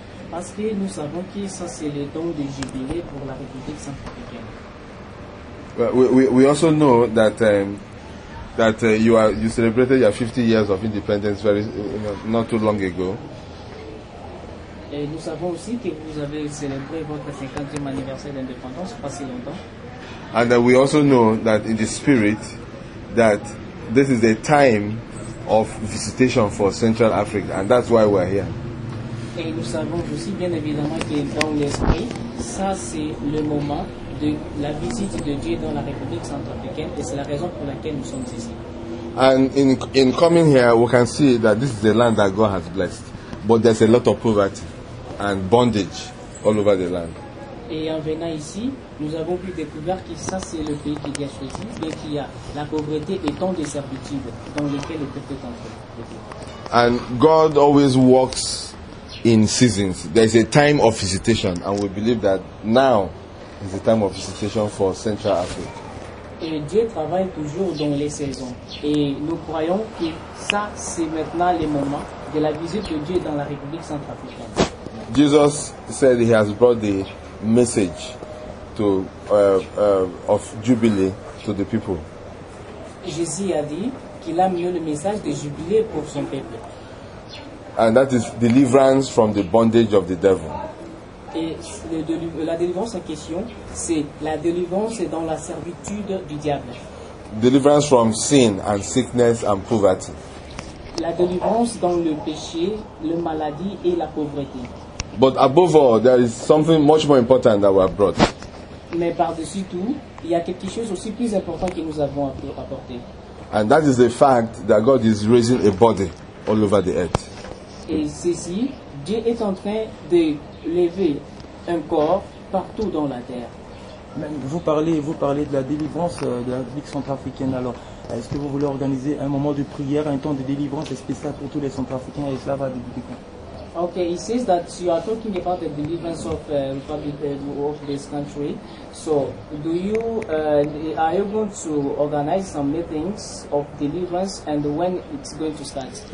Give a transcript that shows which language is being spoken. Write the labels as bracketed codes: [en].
[fr] Parce que nous savons que ça c'est le temps de jubilé pour la République centrafricaine. [en] Well, we also know that you celebrated your 50 years of independence very not too long ago. [fr] Et nous savons aussi que vous avez célébré votre 50e anniversaire d'indépendance pas si longtemps. [en] And we also know that in the spirit that this is a time of visitation for Central Africa, and that's why we're here. [fr] Et nous savons aussi bien évidemment que dans l'esprit, ça c'est le moment de la visite de Dieu dans la République centrafricaine, et c'est la raison pour laquelle nous sommes ici. [en] And in coming here, we can see that this is the land that God has blessed, but there's a lot of poverty and bondage all over the land. [fr] Et en venant ici, nous avons pu découvrir que ça c'est le pays qui a choisi, mais qu'il y a la pauvreté et tant de servitude dans lequel le peuple est entré. [en] And God always works in seasons. There is a time of visitation, and we believe that now is the time of visitation for Central Africa. [fr] Et Dieu travaille toujours dans les saisons, et nous croyons que ça c'est maintenant le moment de la visite de Dieu dans la République centrafricaine. [en] Jesus said he has brought the message to of jubilee to the people. [fr] Jésus a dit qu'il a mis le message de jubilé pour son peuple. [en] And that is deliverance from the bondage of the devil. [fr] Et la délivrance en question, c'est la délivrance dans la servitude du diable. [en] Deliverance from sin and sickness and poverty. [fr] La délivrance dans le péché, la maladie et la pauvreté. [en] But above all, there is something much more important that we have brought. [fr] Mais par-dessus tout, il y a quelque chose aussi plus important que nous avons apporté. [en] And that is the fact that God is raising a body all over the earth. [fr] Et ceci, Dieu est en train de lever un corps partout dans la terre. Vous parlez de la délivrance de la République centrafricaine. Alors, est-ce que vous voulez organiser un moment de prière, un temps de délivrance spécial pour tous les centrafricains et cela va débuter quand? [en] Okay, he says that you are talking about the deliverance of Republic of this country. So, do you are you going to organize some meetings of deliverance and when it's going to start?